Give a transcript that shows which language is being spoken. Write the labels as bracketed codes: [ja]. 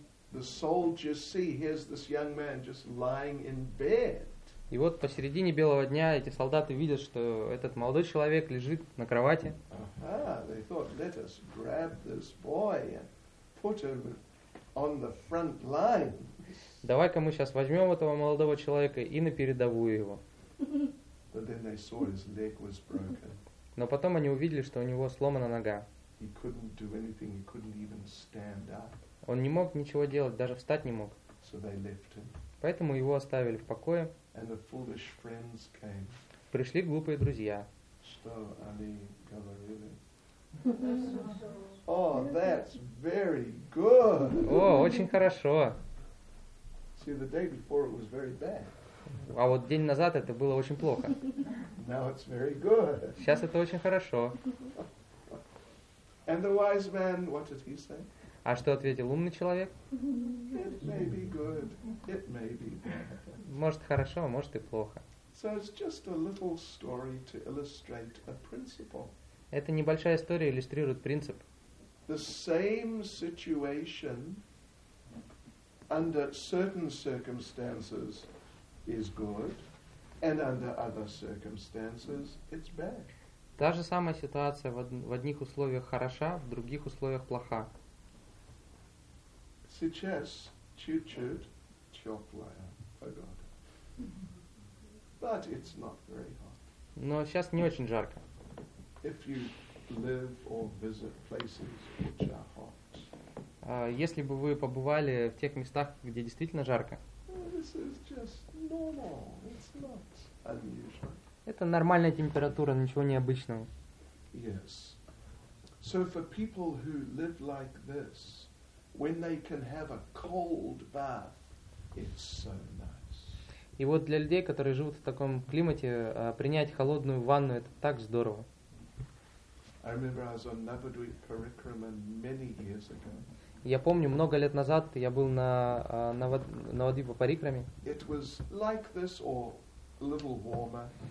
[en] The soldiers see, here's this young man just lying in bed. [ru] И вот посередине белого дня эти солдаты видят, что этот молодой человек лежит на кровати. [en] They thought, let us grab this boy and put him on the front line. [ru] Давай-ка мы сейчас возьмем этого молодого человека и на передовую его. [en] But then they saw his leg was broken. [ru] Но потом они увидели, что у него сломана нога. [en] He couldn't do anything, he couldn't even stand up. [ru] Он не мог ничего делать, даже встать не мог. [en] So they left him. [ru] Поэтому его оставили в покое. [en] And the foolish friends came. [ru] Пришли глупые друзья. Что они говорили? [en] Oh, that's very good. [ru] О, очень хорошо. [en] See, the day before it was very bad. [ru] А вот день назад это было очень плохо. [en] Now it's very good. [ru] Сейчас это очень хорошо. [en] And the wise man, what did he say? [ru] А что ответил умный человек? [en] It may be good. It may be bad. [ru] Может хорошо, может и плохо. [en] So it's just a little story to illustrate a principle. [ru] Это небольшая история иллюстрирует принцип. [en] The same situation under certain circumstances is good, and under other circumstances it's bad. [ru] Та же самая ситуация в одних условиях хороша, в других условиях плоха. Сейчас чуть-чуть теплая погода, [en] but it's not very hot. [ru] Но сейчас не очень жарко. [en] If you live or visit places which are hot. [ru] Если бы вы побывали в тех местах, где действительно жарко. [en] This is just normal. It's not unusual. [ru] Это нормальная температура, ничего необычного. [en] Yes. So for people who live like this, when they can have a cold bath, it's so nice. [ru] И вот для людей, которые живут в таком климате, принять холодную ванну это так здорово. [en] I remember I was on Navadvip Parikraman many years ago. [ru] Я помню, много лет назад я был на Навадвипа Парикраме. [en] It was like this or a little warmer.